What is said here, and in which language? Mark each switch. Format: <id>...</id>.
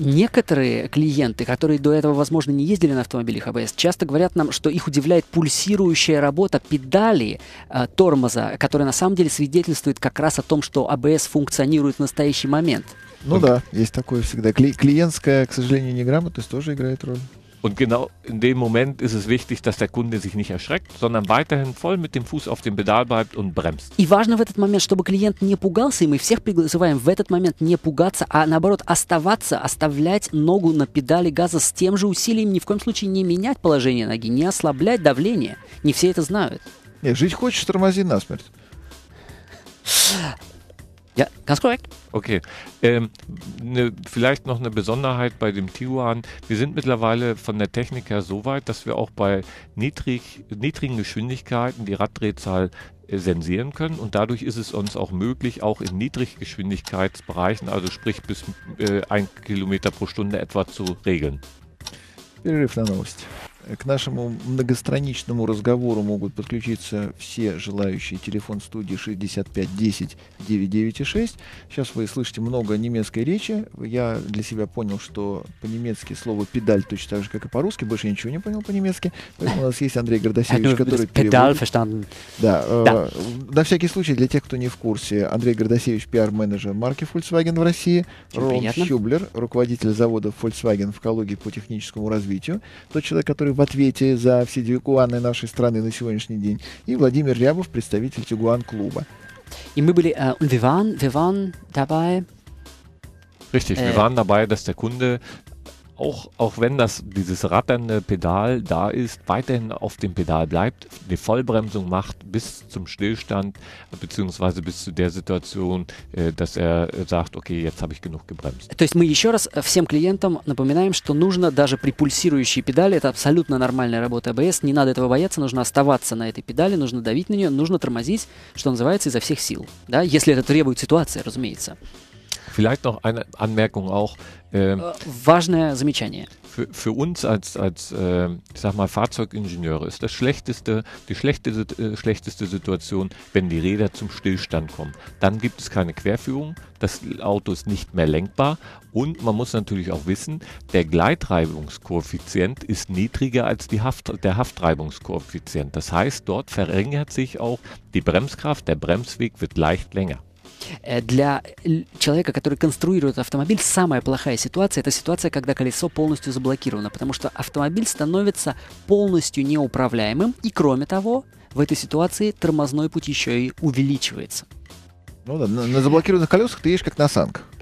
<ru>Некоторые клиенты, которые до этого, возможно, не ездили на автомобилях ABS, часто говорят нам, что их удивляет пульсирующая работа педали тормоза, которая на самом деле свидетельствует как раз о том, что ABS функционирует в настоящий момент. Ну да, есть такое всегда. Клиентская, к сожалению, неграмотность тоже играет роль.</ru> <de>Und genau in dem Moment ist es wichtig, dass der Kunde sich nicht erschreckt, sondern weiterhin voll mit dem Fuß auf dem Pedal bleibt und bremst.</de> <ru>И важно в этот момент, чтобы клиент не пугался, и мы всех призываем в этот момент не пугаться, а наоборот оставаться, оставлять ногу на педали газа с тем же усилием, ни в коем случае не менять положение ноги, не ослаблять давление. Не все это знают. Нет, жить хочешь, тормози насмерть.</ru> <de>Ja, ganz korrekt. Okay. Vielleicht noch eine Besonderheit bei dem Tiguan. Wir sind mittlerweile von der Technik her so weit, dass wir auch bei niedrigen Geschwindigkeiten die Raddrehzahl sensieren können. Und dadurch ist es uns auch möglich, auch in Niedriggeschwindigkeitsbereichen, also sprich bis 1 Kilometer pro Stunde etwa zu regeln.</de> <ru>Перерыв на новости. К нашему многостраничному разговору могут подключиться все желающие. Телефон студии 65 10 996. Сейчас вы слышите много немецкой речи. Я для себя понял, что по-немецки слово «педаль» точно так же, как и по-русски. Больше ничего не понял по-немецки. Поэтому у нас есть Андрей Гордасевич, который</ru> <de>«педаль» verstanden.</de> <ru>Да. На всякий случай, для тех, кто не в курсе, Андрей Гордасевич, пиар-менеджер марки Volkswagen в России. Ром Щублер, руководитель завода Volkswagen в Калуге по техническому развитию. Тот человек, который в ответе за все тигуаны нашей страны на сегодняшний день, и Владимир Рябов, представитель Тигуан-клуба. И мы были,</ru> <de>wir waren dabei. Richtig, wir waren dabei, dass der Kunde auch wenn das dieses ratternde Pedal da ist, weiterhin auf dem Pedal bleibt, die Vollbremsung macht bis zum Stillstand beziehungsweise bis zu der Situation, dass er sagt, okay, jetzt habe ich genug gebremst.</de> <ru>То есть мы еще раз всем клиентам напоминаем, что нужно даже при пульсирующей педали, это абсолютно нормальная работа ABS, не надо этого бояться, нужно оставаться на этой педали, нужно давить на нее, нужно тормозить, что называется, изо всех сил, да, если это требует ситуации, разумеется.</ru> <de>Vielleicht noch eine Anmerkung auch.</de> <ru>Важное замечание.</ru> <de>Für uns als ich sag mal Fahrzeugingenieure ist das schlechteste Situation, wenn die Räder zum Stillstand kommen. Dann gibt es keine Querführung, das Auto ist nicht mehr lenkbar und man muss natürlich auch wissen, der Gleitreibungskoeffizient ist niedriger als der Haftreibungskoeffizient. Das heißt, dort verringert sich auch die Bremskraft, der Bremsweg wird leicht länger.</de> <ru>Для человека, который конструирует автомобиль, самая плохая ситуация – это ситуация, когда колесо полностью заблокировано, потому что автомобиль становится полностью неуправляемым, и кроме того, в этой ситуации тормозной путь еще и увеличивается. Ну да, на заблокированных колесах ты едешь как на санках.</ru>